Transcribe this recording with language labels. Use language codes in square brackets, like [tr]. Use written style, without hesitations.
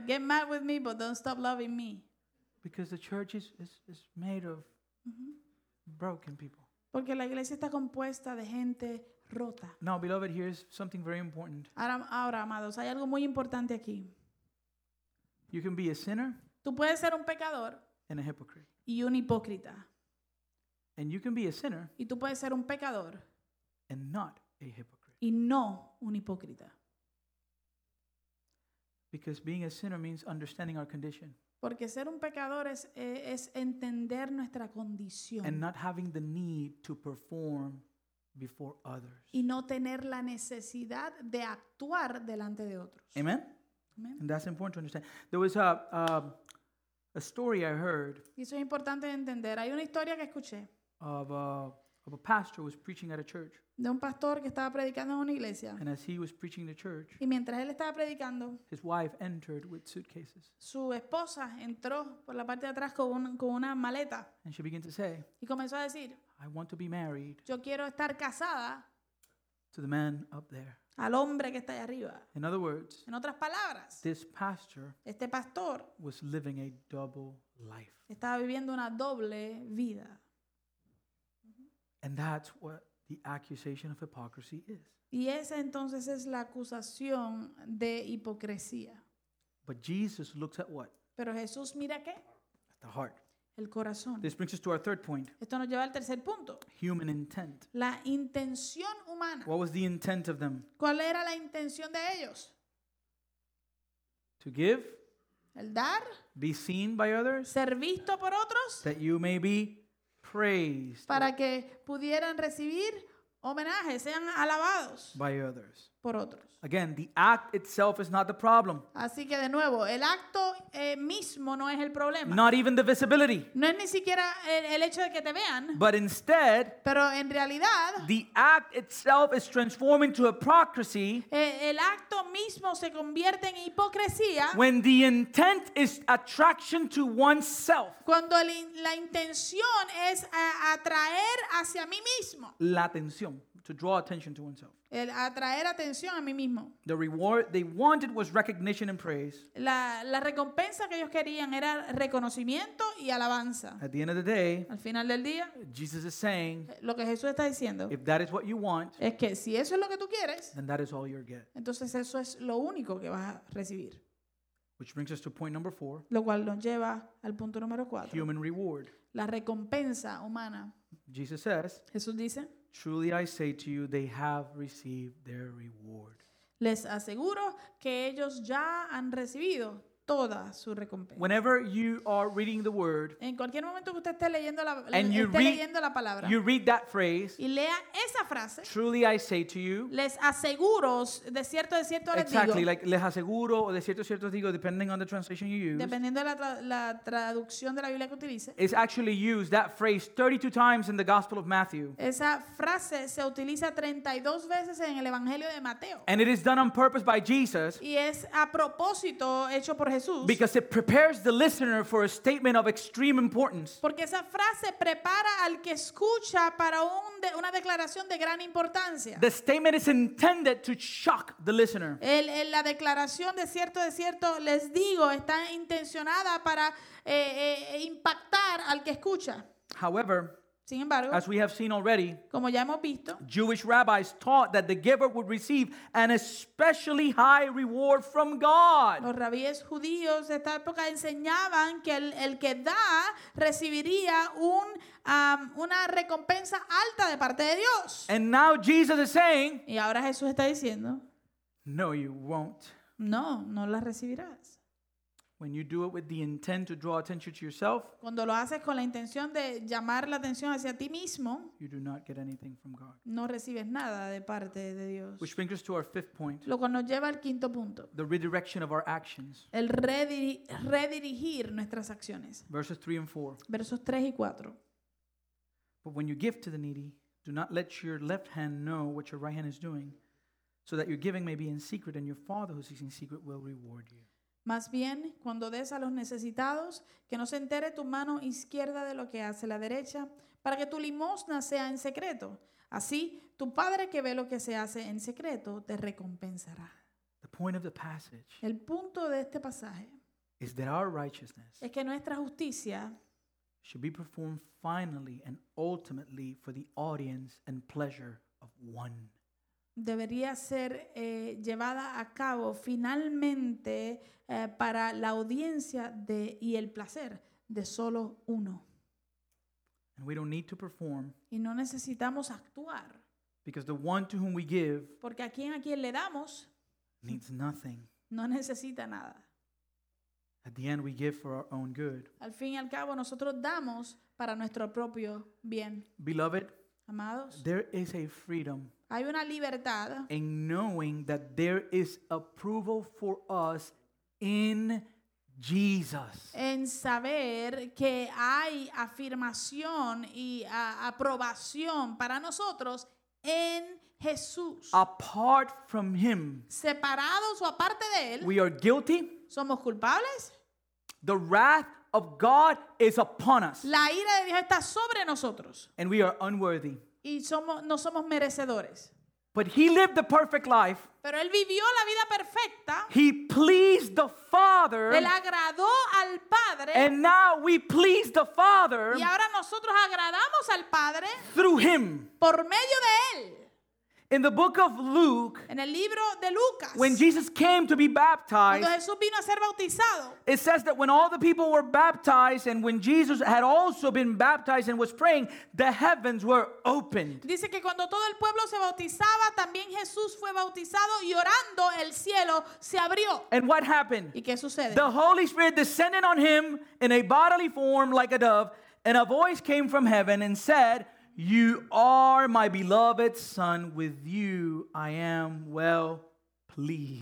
[en] Get mad with me, but don't stop loving me. Because the church is made of broken people. [es] Porque la iglesia está compuesta de gente rota. [en] Now, beloved, here is something very important. [es] Ahora, amados, hay algo muy importante aquí. [en] You can be a sinner. [es] Tú puedes ser un pecador. [en] And a hypocrite. [es] Y un hipócrita. [en] And you can be a sinner. [es] Y tú puedes ser un pecador. [en] And not a hypocrite. [es] Y no un hipócrita. [en] Because being a sinner means understanding our condition. [es] Porque ser un pecador es entender nuestra condición. [en] And not having the need to perform before others. [es] Y no tener la necesidad de actuar delante de otros. [en] Amen. [es] Amen. [en] And that's important to understand. There was a story I heard. [es] Y eso es importante de entender. Hay una historia que escuché. [en] Of a pastor who was preaching at a church. [es] De un pastor que estaba predicando en una iglesia. [en] And as he was preaching the church, [es] y mientras él estaba predicando, [en] his wife entered with suitcases. [es] Su esposa entró por la parte de atrás con una maleta. [en] And she began to say, [es] y comenzó a decir, [en] I want to be married, [es] yo quiero estar casada, [en] to the man up there, [es] al hombre que está allá arriba. [en] In other words, [es] en otras palabras, [en] this pastor, [es] este pastor, [en] was living a double life. [es] Estaba viviendo una doble vida. [en] And that's what the accusation of hypocrisy is. [es] Y esa entonces es la acusación de hipocresía. [en] But Jesus looks at what? [es] Pero Jesús mira qué? [en] At the heart. [es] El corazón. [en] This brings us to our third point. [es] Esto nos lleva al tercer punto. [en] Human intent. [es] La intención humana. [en] What was the intent of them? [es] ¿Cuál era la intención de ellos? [en] To give. [es] El dar. [en] Be seen by others. [es] Ser visto por otros. [en] That you may be praised, [es] para que pudieran recibir homenajes, sean alabados, [en] by others, [es] por otros. [en] Again, the act itself is not the problem. [es] Así que de nuevo, el acto mismo no es el problema. [en] Not even the visibility. [es] No es ni siquiera el hecho de que te vean. [en] But instead, [es] pero en realidad, [en] the act itself is transforming to hypocrisy. [es] El acto mismo se convierte en hipocresía. [en] When the intent is attraction to oneself. [es] Cuando la intención es atraer hacia mí mismo. La atención, [en] to draw attention to oneself. [es] El atraer atención a mí mismo. [en] The reward they wanted was recognition and praise. [es] La recompensa que ellos querían era reconocimiento y alabanza. [en] At the end of the day, [es] al final del día, [en] Jesus is saying, [es] lo que Jesús está diciendo, [en] if that is what you want, [es] es que si eso es lo que tú quieres, [en] then that is all you'll get. [es] Entonces eso es lo único que vas a recibir. [en] Which brings us to point number 4. [es] Lo cual nos lleva al punto número 4. [en] Human reward. [es] La recompensa humana. [en] Jesus says, [es] Jesús dice, [en] truly I say to you, they have received their reward. [es] Les aseguro que ellos ya han recibido toda su recompensa. [en] Whenever you are reading the word, [es] en cualquier momento que usted esté leyendo la palabra, [en] you read that phrase, [es] y lea esa frase, [en] truly I say to you, [es] les aseguro, de cierto les [en] exactly, Exactly, like [es] les aseguro, o de cierto digo, [en] depending on the translation you use. [es] Dependiendo de la traducción de la Biblia que utilice. [en] It's actually used, that phrase, 32 times in the Gospel of Matthew. [es] Esa frase se utiliza 32 veces en el Evangelio de Mateo. [en] And it is done on purpose by Jesus. [es] Y es a propósito hecho por Jesús, [en] because it prepares the listener for a statement of extreme importance. [es] Porque esa frase prepara al que escucha para una declaración de gran importancia. [en] The statement is intended to shock the listener. [es] La declaración de cierto les digo está intencionada para impactar al que escucha. [en] However, [es] sin embargo, [en] as we have seen already, [es] como ya hemos visto, [en] Jewish rabbis taught that the giver would receive an especially high reward from God. [es] Los rabíes judíos de esta época enseñaban que el que da recibiría una recompensa alta de parte de Dios. [en] And now Jesus is saying, [es] y ahora Jesús está diciendo, [en] no, you won't. [es] No, no la recibirás. [en] When you do it with the intent to draw attention to yourself, [es] cuando lo haces con la intención de llamar la atención hacia ti mismo, [en] you do not get anything from God. [es] No recibes nada de parte de Dios. [en] Which brings us to our fifth point. [es] Lo cual nos lleva al quinto punto. [en] The redirection of our actions. [es] El redirigir nuestras acciones. [en] Verses 3 and 4. [es] Versos 3 y 4. [en] But when you give to the needy, do not let your left hand know what your right hand is doing, so that your giving may be in secret, and your Father who sees in secret will reward you. [es] Más bien, cuando des a los necesitados, que no se entere tu mano izquierda de lo que hace la derecha, para que tu limosna sea en secreto. Así, tu Padre que ve lo que se hace en secreto, te recompensará. [en] The point of the passage, [es] el punto de este pasaje, [en] is that our righteousness, [es] es que nuestra justicia, [en] should be performed finally and ultimately for the audience and pleasure of one. [es] Debería ser llevada a cabo finalmente para la audiencia y el placer de solo uno. [en] And we don't need to perform, [es] y no necesitamos actuar. [en] Because the one to whom we give, [es] porque a quien le damos, [en] needs nothing. [es] No necesita nada. [en] At the end, we give for our own good. [es] Al fin y al cabo, nosotros damos para nuestro propio bien. [en] Beloved, [es] amados, [en] there is a freedom. [es] Hay una libertad [en] in knowing that there is approval for us in Jesus. [es] En saber que hay afirmación y aprobación para nosotros en Jesús. [en] Apart from Him, [es] separados o aparte de Él, [en] we are guilty. [es] Somos culpables. [en] The wrath of God is upon us. [es] La ira de Dios está sobre nosotros. [en] And we are unworthy. [es] Y no somos merecedores. [en] But he lived the perfect life. [es] Pero él vivió la vida perfecta. [en] He pleased the Father. [es] Él agradó al Padre. [en] And now we please the Father. [es] Y ahora nosotros agradamos al Padre. [en] Through him. [es] Por medio de él. [en] In the book of Luke, [es] en el libro de Lucas, [en] when Jesus came to be baptized, [es] cuando Jesús vino a ser bautizado, [en] it says that when all the people were baptized and when Jesus had also been baptized and was praying, the heavens were opened. [es] Dice que cuando todo el pueblo se bautizaba, también Jesús fue bautizado y orando el cielo se abrió. [en] And what happened? [es] ¿Y qué sucede? [en] The Holy Spirit descended on him in a bodily form like a dove, and a voice came from heaven and said, "You are my beloved son, with you I am well pleased."